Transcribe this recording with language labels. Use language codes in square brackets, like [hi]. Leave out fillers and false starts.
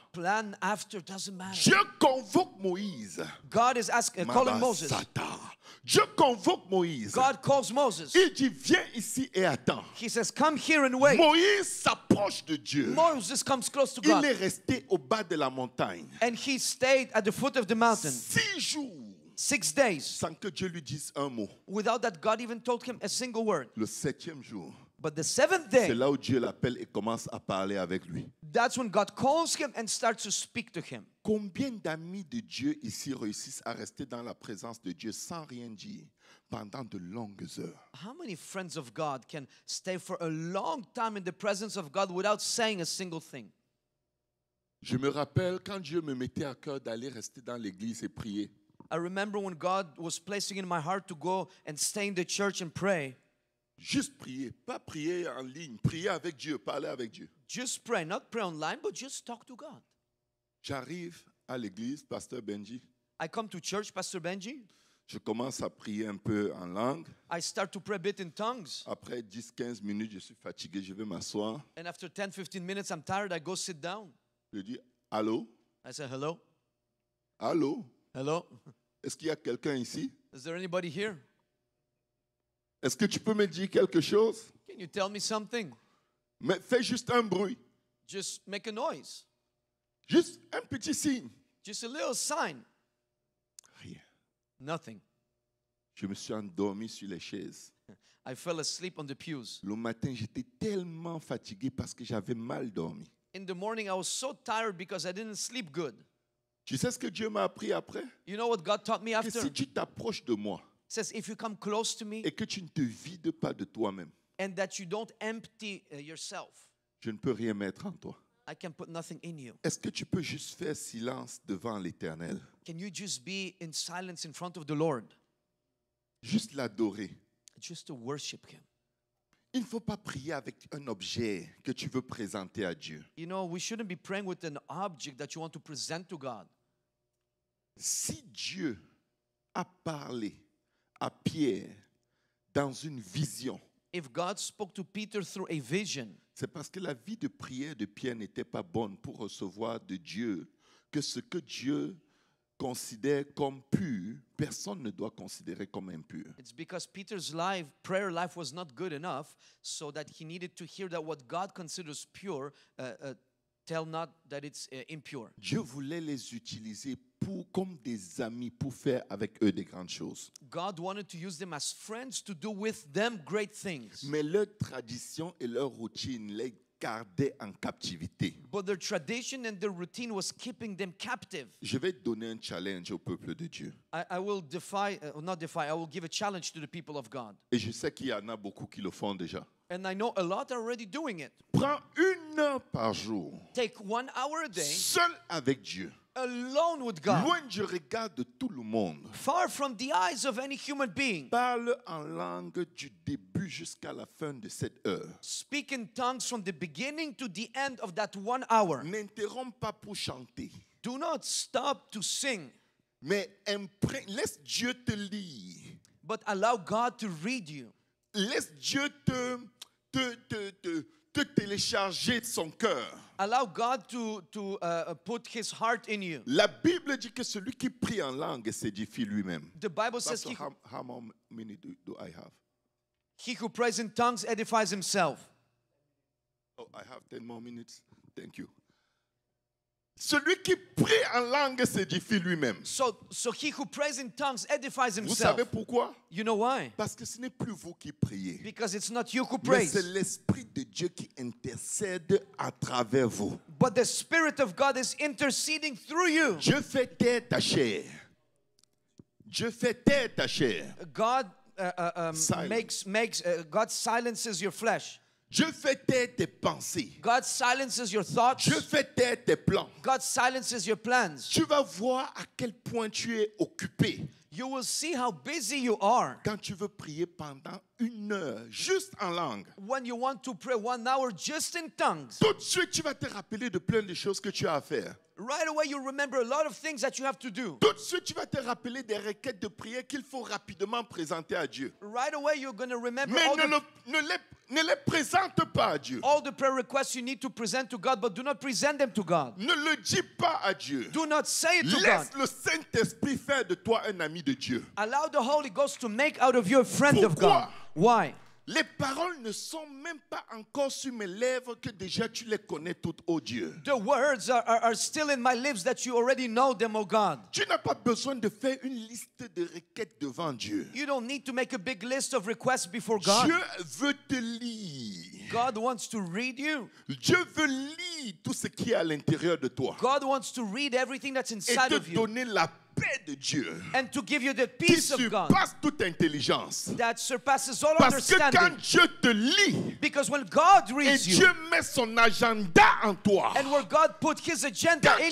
[en] Plan after doesn't matter. [fr] Je convoque Moïse. [en] God is asking, calling Moses. [fr] Satan. Je convoque Moïse. [en] God calls Moses. [fr] Il dit, viens ici et attends. [en] He says, come here and wait. [fr] Moïse s'approche de Dieu. [en] Moses comes close to [fr] il [en] God. [fr] Il est resté au bas de la montagne. [en] And he stayed at the foot of the mountain. [fr] 6 jours. [en] 6 days. [fr] Sans que Dieu lui dise un mot. [en] Without that God even told him a single word. [fr] Le 7e jour. [en] But the seventh day, [fr] c'est là où Dieu l'appelle et commence à parler avec lui. [en] That's when God calls him and starts to speak to him. [fr] Combien d'amis de Dieu ici réussissent à rester dans la présence de Dieu sans rien dire pendant de longues heures? [en] How many friends of God can stay for a long time in the presence of God without saying a single thing? [fr] Je me rappelle quand Dieu me mettait à cœur d'aller rester dans l'église et prier. [en] I remember when God was placing in my heart to go and stay in the church and pray. [fr] Juste prier, pas prier en ligne, prier avec Dieu, parler avec Dieu. [en] Just pray, not pray online, but just talk to God. [fr] J'arrive à l'église, Pasteur Benji. [en] I come to church, Pastor Benji. [fr] Je commence à prier un peu en langue. [en] I start to pray a bit in tongues. [fr] Après 10-15 minutes, je suis fatigué, je vais m'asseoir. [en] And after 10-15 minutes, I'm tired, I go sit down. [fr] Je dis, allô? [en] I say, hello? [fr] Allô? [en] Hello? [fr] Est-ce qu'il y a quelqu'un ici? [en] Is there anybody here? [fr] Est-ce que tu peux me dire quelque chose? [en] Can you tell me something? [fr] Mais fais juste un bruit. [en] Just make a noise. [fr] Juste un petit signe. [en] Just a little sign. [fr] Rien. [en] Nothing. [fr] Je me suis endormi sur les chaises. [en] I fell asleep on the pews. [fr] Le matin, j'étais tellement fatigué parce que j'avais mal dormi. [en] In the morning, I was so tired because I didn't sleep good. [fr] Tu sais ce que Dieu m'a appris après? [en] You know what God taught me after? [fr] Que si tu t'approches de moi, [en] says if you come close to me, [fr] et que tu ne te vides pas de toi-même, [en] and that you don't empty yourself, [fr] je ne peux rien mettre en toi. [en] I can put nothing in you. [fr] Est-ce que tu peux juste faire silence devant l'Éternel? [en] Can you just be in silence in front of the Lord? [fr] Juste l'adorer. [en] Just to worship him. [fr] Il ne faut pas prier avec un objet que tu veux présenter à Dieu. [en] You know, we shouldn't be praying with an object that you want to present to God. [fr] Si Dieu a parlé à Pierre dans une vision, [en] if God spoke to Peter through a vision, [fr] c'est parce que la vie de prière de Pierre n'était pas bonne pour recevoir de Dieu que ce que Dieu considère comme pur, personne ne doit considérer comme impur. [en] It's because Peter's life, prayer life was not good enough, so that he needed to hear that what God considers pure, tell not that it's impure. [fr] Dieu voulait les utiliser pour, comme des amis, pour faire avec eux des grandes choses. [en] God wanted to use them as friends to do with them great things. [fr] Mais leur tradition et leur routine les gardaient en captivité. [en] But their tradition and their routine was keeping them captive. [fr] Je vais donner un challenge au peuple de Dieu. [en] I will give a challenge to the people of God. [fr] Et je sais qu'il y en a beaucoup qui le font déjà. [en] And I know a lot are already doing it. [fr] Prends une heure par jour. [en] Take 1 hour a day. [fr] Seul avec Dieu. [en] Alone with God. [fr] Loin du regard de tout le monde. [en] Far from the eyes of any human being. [fr] Parle en langue du début jusqu'à la fin de cette heure. [en] Speak in tongues from the beginning to the end of that 1 hour. [fr] N'interromps pas pour chanter. [en] Do not stop to sing. [fr] Mais laisse Dieu te lire. [en] But allow God to read you. [fr] Laisse Dieu te télécharger de son cœur. [en] Allow God to put his heart in you. [fr] La Bible dit que celui qui prie en langue s'édifie lui-même. [en] The Bible Pastor, says how many minutes do I have? He who prays in tongues edifies himself. Oh, I have 10 more minutes. Thank you. [fr] Celui qui prie en langue s'édifie lui-même. [en] So he who prays in tongues edifies himself. [fr] Vous savez pourquoi? [en] You know why? [fr] Parce que ce n'est plus vous qui priez. [en] Because it's not you who prays. [fr] Mais c'est l'Esprit de Dieu qui intercède à travers vous. [en] But the Spirit of God is interceding through you. [fr] Dieu fait taire ta chair. Dieu fait taire ta chair. [en] God God silences your flesh. [fr] Dieu fait taire tes pensées. [en] God silences your thoughts. [fr] Dieu fait taire tes plans. [en] God silences your plans. [fr] Tu vas voir à quel point tu es occupé. [en] You will see how busy you are. [fr] Quand tu veux prier pendant une heure, juste en langue. [en] When you want to pray 1 hour just in tongues. [fr] Tout de suite, tu vas te rappeler de plein de choses que tu as à faire. [en] Right away, you remember a lot of things that you have to do. [fr] Tout de suite, tu vas te rappeler des requêtes de prière qu'il faut rapidement présenter à Dieu. [en] Right away, you're going to remember [fr] Mais [en] all [fr] ne [en] the... [fr] Ne les présente pas à Dieu. [en] All the prayer requests you need to present to God, but do not present them to God. [fr] Ne le dis pas à Dieu. [en] Do not say it to [fr] Laisse [en] God. [fr] Le Saint-Esprit faire de toi un ami de Dieu. [en] Allow the Holy Ghost to make out of you a friend [fr] Pourquoi? [en] Of God. Why? [fr] Les paroles ne sont même pas encore sur mes lèvres que déjà tu les connais toutes, oh Dieu. [en] The words are still in my lips that you already know them, oh God. [fr] Tu n'as pas besoin de faire une liste de requêtes devant Dieu. [en] You don't need to make a big list of requests before God. [fr] Dieu veut te lire. [en] God wants to read you. [fr] Dieu veut lire tout ce qui est à l'intérieur de toi. [en] God wants to read everything that's inside of you. [fr] Et te donner la paix de Dieu. [en] And to give you the peace of God. [fr] Qui surpasse toute intelligence. [en] That surpasses all [fr] Parce [en] understanding. [fr] Parce que quand Dieu te lit. [en] Because when God reads [fr] et Et Dieu met son agenda en toi. [en] And where God put his agenda in you.